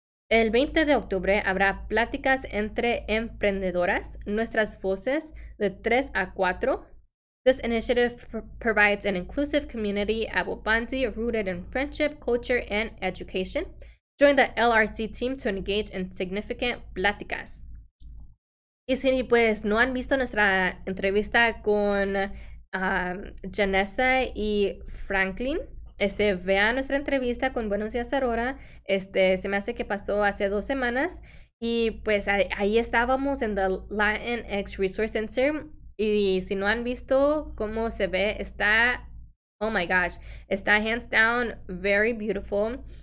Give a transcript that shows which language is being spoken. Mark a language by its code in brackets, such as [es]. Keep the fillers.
[es] El 20 de octubre habrá pláticas entre emprendedoras, nuestras voces, de 3 a 4. [en] This initiative provides an inclusive community at Wabandi rooted in friendship, culture, and education. Join the LRC team to engage in significant pláticas. [es] Y si pues, no han visto nuestra entrevista con um, Janessa y Franklin, este, vea nuestra entrevista con Buenos días, Aurora. Este, se me hace que pasó hace dos semanas y pues ahí, ahí estábamos en el Latinx Resource Center y si no han visto cómo se ve, está, [en] oh my gosh, [es] está [en] hands down, very beautiful.